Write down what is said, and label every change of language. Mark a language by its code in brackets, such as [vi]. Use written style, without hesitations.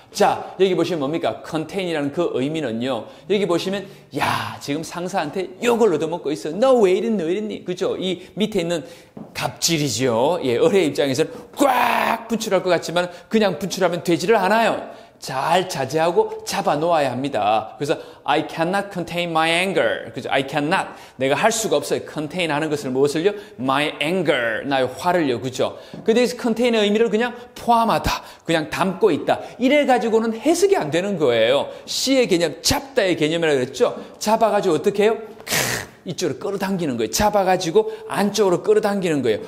[ko] 자, 여기 보시면 뭡니까? contain이라는 그 의미는요. 여기 보시면, 야, 지금 상사한테 욕을 얻어먹고 있어. 너 왜 이랬니? 너 왜 이랬니? 그죠? 이 밑에 있는 갑질이죠. 예, 어뢰 입장에서는 꽉 분출할 것 같지만 그냥 분출하면 되지를 않아요. 잘 자제하고 잡아 놓아야 합니다. 그래서 [en] I cannot contain my anger. [ko] 그죠? [en] I cannot. [ko] 내가 할 수가 없어요. contain 하는 것을 무엇을요? [en] My anger. [ko] 나의 화를요. 그죠? 근데 여기서 contain의 의미를 그냥 포함하다. 그냥 담고 있다. 이래가지고는 해석이 안 되는 거예요. C의 개념, 잡다의 개념이라고 그랬죠? 잡아가지고 어떻게 해요? 이쪽으로 끌어당기는 거예요. 잡아가지고 안쪽으로 끌어당기는 거예요.